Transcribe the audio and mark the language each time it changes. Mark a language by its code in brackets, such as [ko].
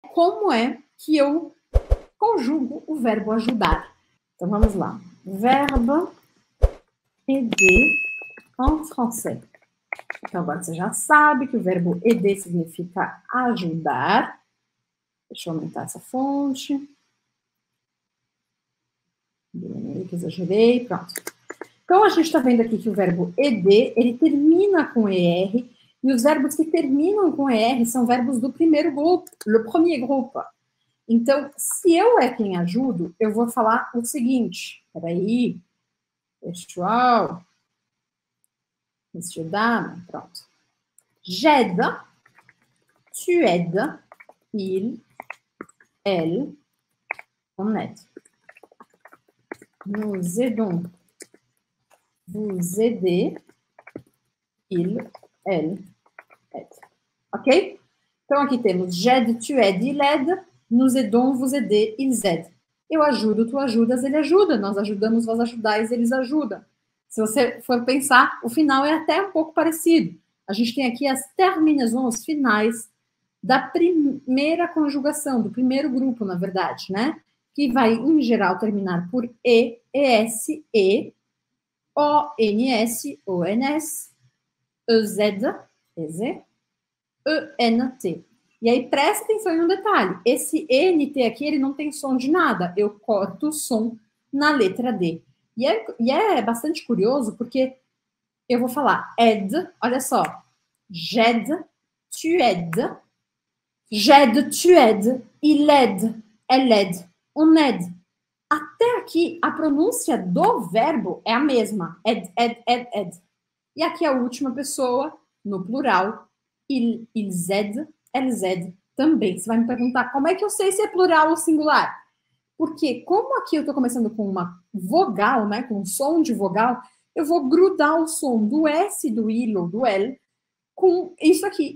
[pt] como é que eu conjugo o verbo ajudar. Então vamos lá. Verbo aider [fr] en français. [pt] Então agora você já sabe que o verbo aider significa ajudar. Deixa eu aumentar essa fonte. Exagerei, pronto. Então, a gente está vendo aqui que o verbo ED, ele termina com ER, e os verbos que terminam com ER são verbos do primeiro grupo, [fr] le premier groupe. [pt] Então, se eu é quem ajudo, eu vou falar o seguinte, peraí, pessoal, monsieur, dame, pronto. [fr] J'aide, tu aides, il, elle, on aide. Nous aidons. Vous aider, il, elle, aide. Ok? [pt] Então aqui temos [fr] j'aide, tu aides, il aide. Nous aidons, vous aider, ils aident. [pt] Eu ajudo, tu ajudas, ele ajuda. Nós ajudamos, vós ajudais, eles ajudam. Se você for pensar, o final é até um pouco parecido. A gente tem aqui as terminações finais da primeira conjugação, do primeiro grupo, na verdade, né? Que vai, em geral, terminar por e, es, e. O-N-S, O-N-S, E-Z, E-Z, E-N-T. E aí, presta atenção em um detalhe. Esse N-T aqui, ele não tem som de nada. Eu corto o som na letra D. E é bastante curioso, porque eu vou falar ed, olha só. [fr] J'aide, tu aides. J'aide, tu aides. Il aide, elle aide, on aide. [pt] Até aqui, a pronúncia do verbo é a mesma. Ed, ed, ed, ed. E aqui a última pessoa, no plural, [fr] il, ils aident, elles aident, [pt] também. Você vai me perguntar como é que eu sei se é plural ou singular? Porque como aqui eu estou começando com uma vogal, né, com um som de vogal, eu vou grudar o som do S, do il ou do elle com isso aqui.